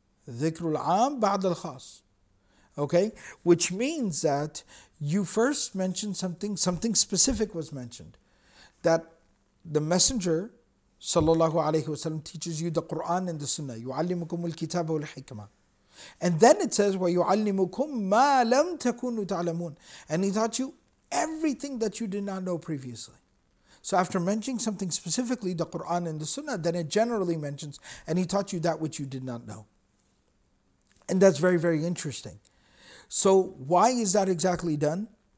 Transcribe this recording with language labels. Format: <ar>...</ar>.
<en>Dhikr al-aam ba'd al-khas. Okay, which means that you first mentioned something, something specific was mentioned, that the messenger sallallahu alayhi wa sallam teaches you the Qur'an and the Sunnah.</en> <ar>يُعَلِّمُكُمْ الْكِتَابَ وَالْحِكْمَةِ.</ar> <en>And then it says,</en> <ar>وَيُعَلِّمُكُمْ مَا لَمْ تَكُونُوا تَعْلَمُونَ.</ar> <en>And he taught you everything that you did not know previously. So after mentioning something specifically, the Qur'an and the Sunnah, then it generally mentions, and he taught you that which you did not know. And that's very, very interesting. So why is that exactly done?</en>